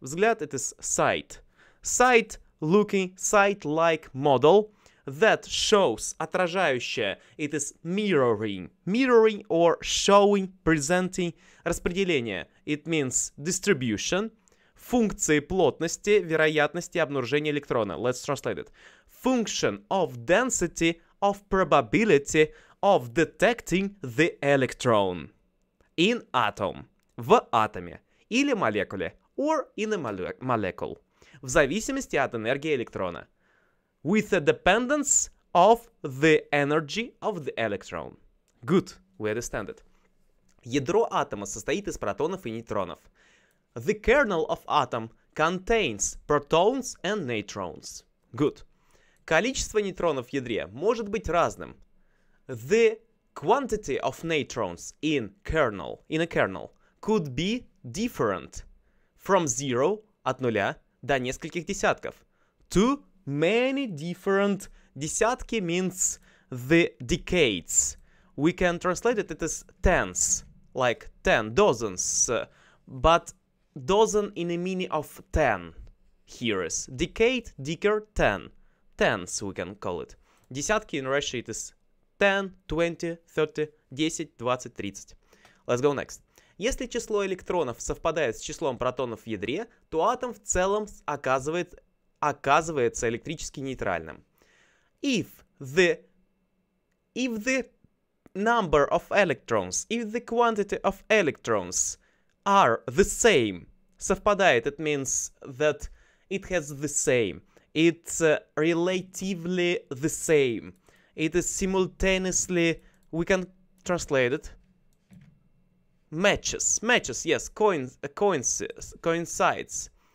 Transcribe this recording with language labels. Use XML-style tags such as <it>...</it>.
<en>Взгляд, it is sight. Sight. Looking sight-like model that shows, отражающая, it is mirroring. Mirroring or showing, presenting, распределение. It means distribution.</en> <ru>Функции плотности, вероятности обнаружения электрона.</ru> <en>Let's translate it. Function of density, of probability, of detecting the electron. In atom.</en> <ru>В атоме. Или молекуле.</ru> <en>Or in a molecule.</en> <ru>В зависимости от энергии электрона.</ru> <en>With a dependence of the energy of the electron. Good, we understand it.</en> <ru>Ядро атома состоит из протонов и нейтронов.</ru> <en>The kernel of atom contains protons and neutrons. Good.</en> <ru>Количество нейтронов в ядре может быть разным.</ru> <en>The quantity of neutrons in kernel, in a kernel could be different from zero,</en> <ru>от нуля, до нескольких десятков.</ru> <en>To many different. Десятки means the decades. We can translate it as tens. Like ten, dozens. But dozen in a meaning of ten. Here is. Decade, decade, ten. Tens we can call it. Десятки in Russia it is ten, twenty, thirty,</en> <ru>десять, двадцать, тридцать.</ru> <en>Let's go next.</en> <ru>Если число электронов совпадает с числом протонов в ядре, то атом в целом оказывается электрически нейтральным.</ru> <en>If the number of electrons, if the quantity of electrons are the same, совпадает, it means that it has the same, it's relatively the same, it is simultaneously, we can translate it, Matches, yes, coincides.</en>